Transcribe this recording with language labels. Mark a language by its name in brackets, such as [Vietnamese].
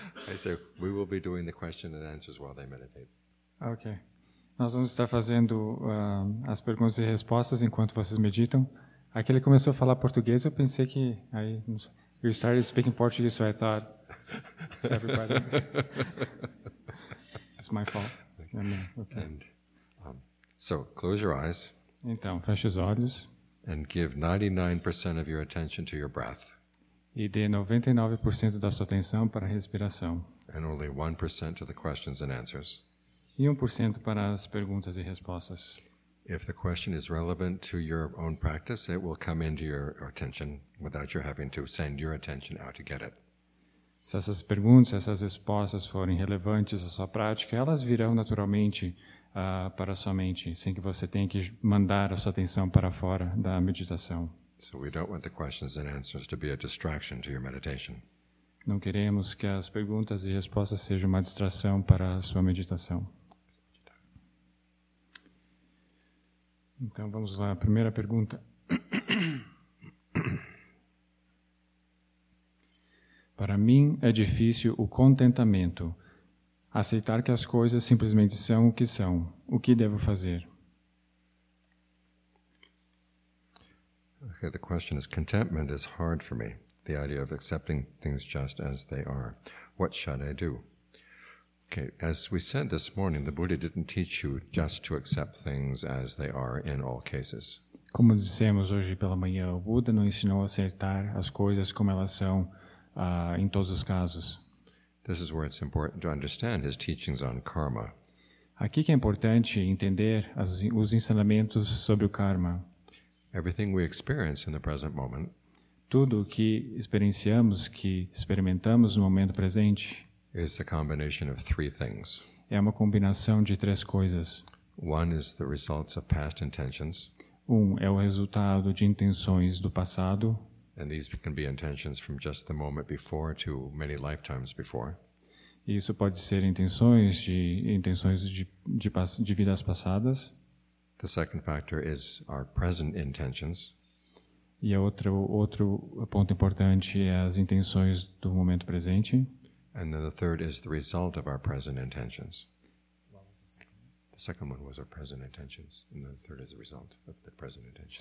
[English] I said, we will be doing the question and answers while they meditate. Okay. [Portuguese] Nós vamos estar fazendo as perguntas e respostas enquanto vocês meditam. Aqui ele começou a falar português, eu pensei que... [English] aí you started speaking Portuguese, so I thought everybody... It's my fault. Okay. Okay. And, so, close your eyes. [Portuguese] Então, feche os olhos. [English] And give 99% of your attention to your breath. [Portuguese] E dê 99% da sua atenção para a respiração. [English] And only 1% to the questions and answers. [Portuguese] E 1% para as perguntas e respostas. [English] If the question is relevant to your own practice, it will come into your attention without you having to send your attention out to get it. [Portuguese] Se essas perguntas, essas respostas forem relevantes à sua prática, elas virão naturalmente para a sua mente, sem que você tenha que mandar a sua atenção para fora da meditação. [English] So we don't want the questions and answers to be a distraction to your meditation. [Portuguese] Não queremos que as perguntas e respostas sejam uma distração para a sua meditação. Então vamos lá, a primeira pergunta. Para mim é difícil o contentamento, aceitar que as coisas simplesmente são o que são. O que devo fazer? [English] Okay, the question is, contentment is hard for me. The idea of accepting things just as they are. What should I do? Okay, as we said this morning, the Buddha didn't teach you just to accept things as they are in all cases. [Portuguese] Como dissemos hoje pela manhã, o Buda não ensinou a aceitar as coisas como elas são em todos os casos. [English] This is where it's important to understand his teachings on karma. [Portuguese] Aqui que é importante entender os ensinamentos sobre o karma. [English] Everything we experience in the present moment. [Portuguese] Tudo o que experienciamos, que experimentamos no momento presente, [English] is a combination of three things. [Portuguese] É uma combinação de três coisas. [English] One is the results of past intentions. [Portuguese] É o resultado de intenções do passado. [English] And these can be intentions from just the moment before to many lifetimes before. [Portuguese] E isso pode ser intenções de vidas passadas. [English] The second factor is our present intentions. [Portuguese] E outro ponto importante é as intenções do momento presente. [English] And then the third is the result of our present intentions. The second one was our present intentions, and the third is the result of the present intentions.